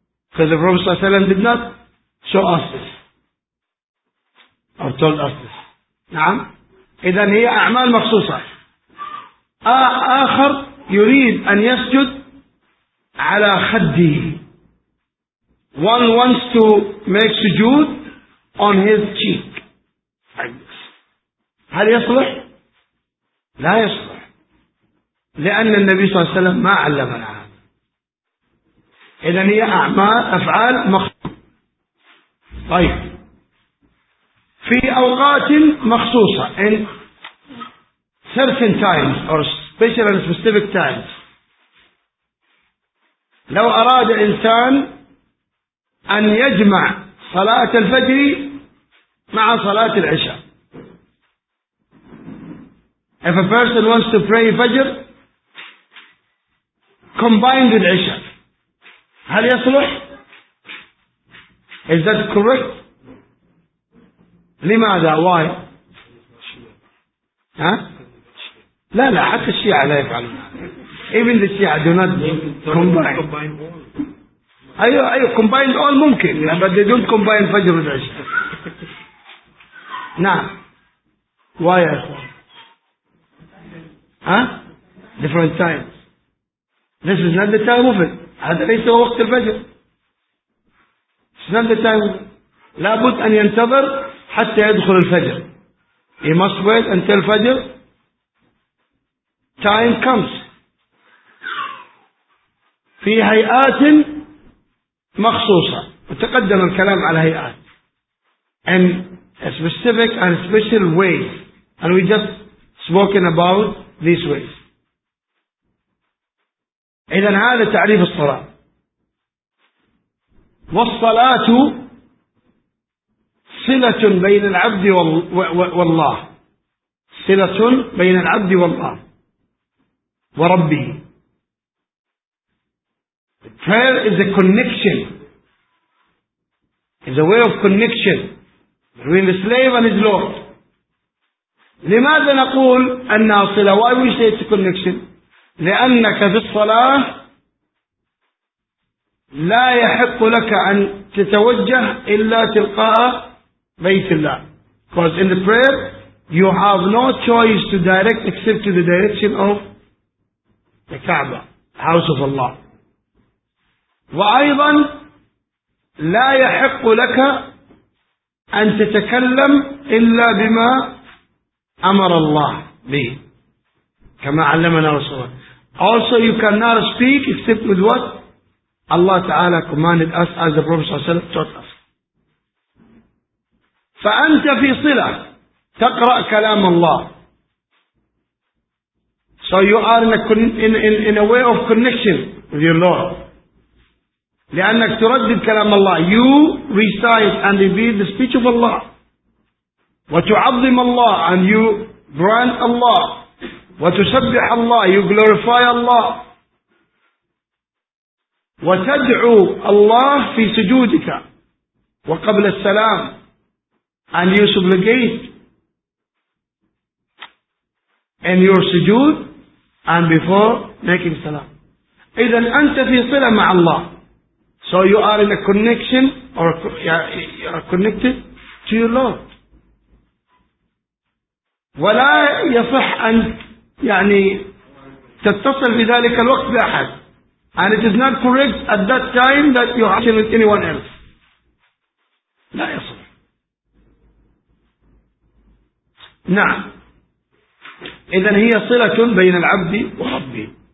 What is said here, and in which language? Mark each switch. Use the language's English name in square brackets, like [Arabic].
[English] Because the Prophet صلى الله عليه وسلم did not show us this or told us this. [Arabic] نعم. إذن هي أعمال مخصوصة. آخر يريد أن يسجد على خده. [English] One wants to make sujood on his cheek. [Arabic] هل يصلح؟ لا يصلح, لأن النبي صلى الله عليه وسلم ما علمنا هذا. إذن هي أعمال أفعال مخصوصة. طيب في أوقات مخصوصة [English] in certain times or special and specific times. [Arabic] لو أراد إنسان أن يجمع صلاة الفجر مع صلاة العشاء, [English] If a person wants to pray Fajr, combined with Isha. [Arabic] هل يصلح? [English] Is that correct? [Arabic] لماذا? [English] Why? ها? [Arabic] لا لا حتى الشيعة لا يفعلون. [English] Even the Shia do not combine. أيوه combine all ممكن. But they don't combine Fajr with Isha. [Arabic] نعم. [English] Why? Huh? Different times. This is not the time of it. [Arabic] هذا ليس وقت الفجر. [English] It's not the time. [Arabic] لابد أن ينتظر حتى يدخل الفجر. [English] He must wait until الفجر. Time comes. [Arabic] في هيئات مخصوصة. وتقدم الكلام على هيئات. [English] And a specific and special ways. And we just spoken about these ways. [Arabic] إذن هذا تعريف الصلاة. والصلاة صلة بين العبد والله. صلة بين العبد والله وربه. [English] Prayer is a connection. It's a way of connection between the slave and his Lord. [Arabic] لماذا نقول أنها صلة? [English] Why we say it's a connection? [Arabic] لأنك في الصلاة لا يحق لك أن تتوجه إلا تلقاء بيت الله. [English] Because in the prayer you have no choice to direct except to the direction of the Kaaba, house of Allah. [Arabic] وأيضا لا يحق لك أن تتكلم إلا بما أمر الله به كما علمنا رسول الله. [English] Also you cannot speak except with what Allah Ta'ala commanded us as the Prophet himself taught us. [Arabic] فأنت في صلة تقرأ كلام الله. [English] So you are in a way of connection with your Lord. [Arabic] لأنك تردد كلام الله. [English] You recite and repeat the speech of Allah. [Arabic] وتعظم الله [English] and you grant Allah. [Arabic] وتسبح الله, [English] you glorify Allah. [Arabic] وتدعو الله في سجودك وقبل السلام, [English] and you supplicate in your sujood and before making salam. [Arabic] إذن أنت في صلة مع الله. [English] So you are in a connection or you are connected to your Lord. [Arabic] ولا يصح أن يعني تتصل في ذلك الوقت بأحد. [English] And it is not correct at that time that you are with anyone else. [Arabic] لا يصح. نعم. إذن هي صلة بين العبد وربه.